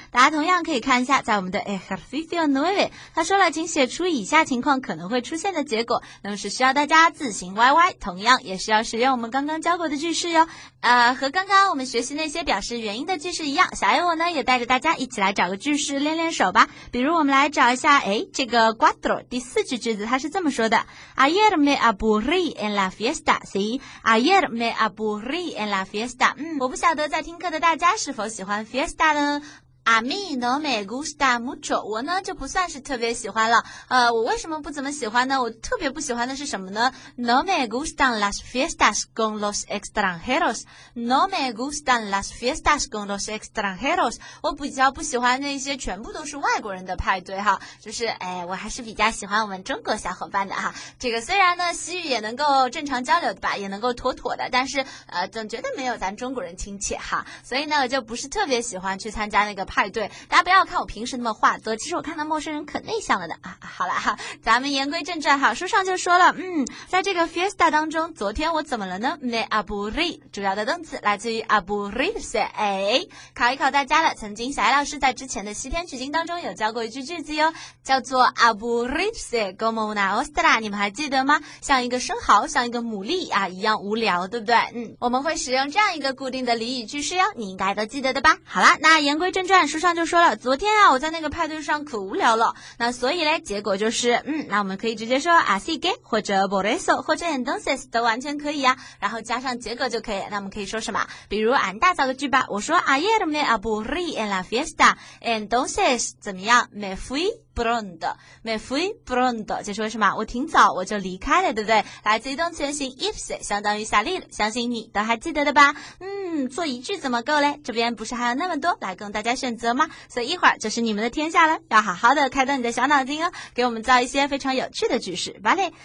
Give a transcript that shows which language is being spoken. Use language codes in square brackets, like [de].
[zh] 大家同样可以看一下，在我们的 ejercicio nueve， 他说了，请写出以下情况可能会出现的结果，那么是需要大家自行 YY， 同样也需要使用我们刚刚教过的句式哟。和刚刚我们学习那些表示原因的句式一样，小爱我呢也带着大家一起来找个句式练练手吧。比如我们来找一下，这个 cuatro 第四句句子，它是这么说的。 [es] Ayer me aburrí en la fiesta, sí. Ayer me aburrí en la fiesta. [zh] 我不晓得在听课的大家是否喜欢 fiesta 呢？ [es] A mí no me gusta mucho. [zh] 我呢就不算是特别喜欢了。我为什么不怎么喜欢呢？我特别不喜欢的是什么呢？ [es] No me gustan las fiestas con los extranjeros. No me gustan las fiestas con los extranjeros. [zh] 我比较不喜欢那些全部都是外国人的派对哈。就是哎，我还是比较喜欢我们中国小伙伴的哈。这个虽然呢西语也能够正常交流吧，也能够妥妥的，但是总觉得没有咱中国人亲切哈。所以呢我就不是特别喜欢去参加那个派对，大家不要看我平时那么话多，其实我看到陌生人可内向了的啊。好了哈，咱们言归正传哈，书上就说了，在这个 fiesta 当中，昨天我怎么了呢？ me aburrí， 主要的动词来自于 aburrirse， 哎，考一考大家了，曾经小艾老师在之前的西天取经当中有教过一句句子哟，叫做 [es] aburrirse como una ostra， [zh] 你们还记得吗？像一个生蚝，像一个牡蛎啊一样无聊，对不对？我们会使用这样一个固定的俚语句式哟，你应该都记得的吧？好了，那言归正传，书上就说了，昨天啊我在那个派对上可无聊了，那所以呢结果就是那我们可以直接说 así que 或者 por eso 或者 entonces 都完全可以啊，然后加上结果就可以。那我们可以说什么？比如俺大造个句吧，我说 [es] ayer me aburrí en la fiesta entonces [zh] 怎么样？ [es] me fuiPronto, me fui pronto, [zh] 就是为什么我挺早我就离开了，对不对？来自于动词原形 irse, 相当于下令，相信你都还记得的吧？做一句怎么够嘞？这边不是还有那么多来供大家选择吗？所以一会儿就是你们的天下了，要好好的开动你的小脑筋哦，给我们造一些非常有趣的句式，vale。